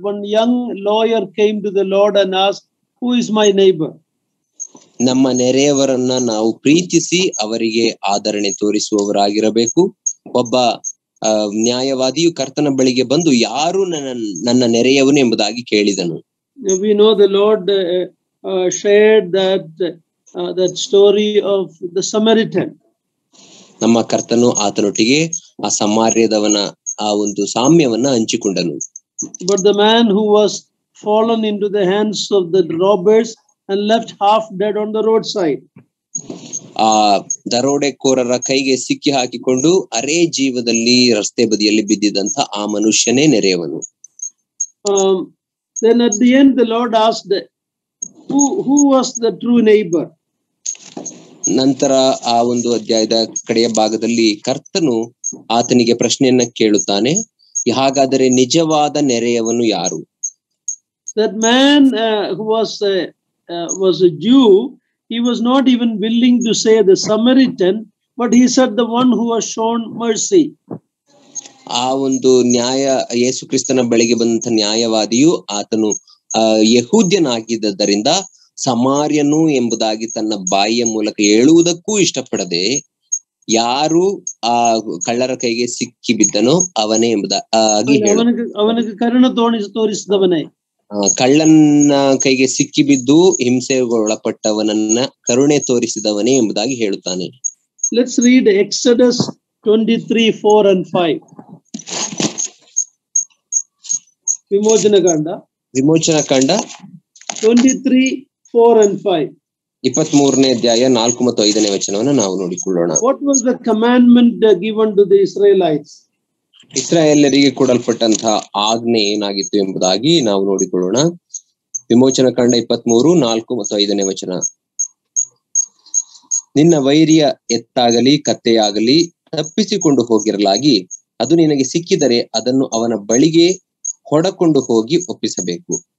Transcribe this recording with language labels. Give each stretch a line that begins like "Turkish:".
English: One young lawyer came to the lord and ask, who is my neighbour?
Kannada: ನಮ್ಮ ನೆರೆಯವರನ್ನ ನಾವು ಪ್ರೀತಿಸಿ ಅವರಿಗೆ ಆಧರಣೆ ತೋರಿಸುವವರಾಗಿರಬೇಕು. ಒಬ್ಬ ನ್ಯಾಯವಾದಿಯು ಕರ್ತನ ಬಳಿಗೆ ಬಂದು, ಯಾರು ನನ್ನ ನೆರೆಯವನು ಎಂಬುದಾಗಿ ಕೇಳಿದನು.
English: We know the Lord shared that story of the Samaritan.
Kannada: ನಮ್ಮ ಕರ್ತನು ಆತನೊಟ್ಟಿಗೆ ಆ ಸಮಾರ್ಯದವನ ಆ ಒಂದು ಸಾಮ್ಯವನ್ನ ಹಂಚಿಕೊಂಡನು.
English: But the man who was fallen into the hands of the robbers and left half dead on the roadside.
Kannada: ಆ ದರೋಡೆಕೋರರ ಕೈಗೆ ಸಿಕ್ಕಿ ಹಾಕಿಕೊಂಡು ಅರೇ ಜೀವದಲ್ಲಿ ರಸ್ತೆ ಬದಿಯಲ್ಲಿ ಬಿದ್ದಿದ್ದಂತ ಆ ಮನುಷ್ಯನೇ ನೆರೆಯವನು.
English: Then at the end the Lord asked who was the true neighbor.
Kannada: ನಂತರ ಆ ಒಂದು ಅಧ್ಯಾಯದ ಕಡೆಯ ಭಾಗದಲ್ಲಿ ಕರ್ತನು ಆತನಿಗೆ ಪ್ರಶ್ನೆಯನ್ನ ಕೇಳುತ್ತಾನೆ, ಹಾಗಾದರೆ ನಿಜವಾದ ನೆರೆಯವನು ಯಾರು?
English: That man who was a Jew, he was not even willing to say the Samaritan, but he said the one who was shown mercy.
Kannada: ಆ ಒಂದು ನ್ಯಾಯ ಯೇಸು ಕ್ರಿಸ್ತನ ಬಳಿಗೆ ಬಂದಂತ ನ್ಯಾಯವಾದಿಯು ಆತನು ಯಹೂದ್ಯನಾಗಿದ್ದರಿಂದ ಸಮಾರ್ಯನು ಎಂಬುದಾಗಿ ತನ್ನ ಬಾಯಿಯ ಮೂಲಕ ಹೇಳುವುದಕ್ಕೂ ಇಷ್ಟಪಡದೆ ಯಾರು ಆ ಕಳ್ಳರ ಕೈಗೆ ಸಿಕ್ಕಿ ಬಿದ್ದನೋ ಅವನೇ ಎಂಬುದಾಗಿ ಅವನಿಗೆ ಕರುಣ ತೋರಿಸಿದವನೇ. ಕಳ್ಳನ ಕೈಗೆ ಸಿಕ್ಕಿ ಬಿದ್ದು ಹಿಂಸೆ ಒಳಪಟ್ಟವನನ್ನ ಕರುಣೆ ತೋರಿಸಿದವನೇ ಎಂಬುದಾಗಿ ಹೇಳುತ್ತಾನೆ.
English: Let's read Exodus 23:4-5.
Kannada: ವಿಮೋಚನಕಾಂಡ 23:4-5. 23ನೇ ಅಧ್ಯಾಯ 4 ಮತ್ತು 5ನೇ ವಚನವನ್ನು ನಾವು ನೋಡಿಕೊಳ್ಳೋಣ.
English: What was the commandment given to the Israelites?
Kannada: ಇಸ್ರಾಯೇಲರಿಗೆ ಕೊಡಲ್ಪಟ್ಟಂತಹ ಆಜ್ಞೆ ಏನಾಗಿತ್ತು ಎಂಬುದಾಗಿ ನಾವು ನೋಡಿಕೊಳ್ಳೋಣ. ವಿಮೋಚನಕಾಂಡ 23:4-5 ವಚನ. ನಿನ್ನ ವೈರಿಯ ಎತ್ತಾಗಲಿ ಕತ್ತೆಯಾಗಲಿ ತಪ್ಪಿಸಿಕೊಂಡು ಹೋಗಿರಲಾಗಿ ಅದು ನಿನಗೆ ಸಿಕ್ಕಿದರೆ ಅದನ್ನು ಅವನ ಬಳಿಗೆ ಹೊಡಕೊಂಡು ಹೋಗಿ ಒಪ್ಪಿಸಬೇಕು.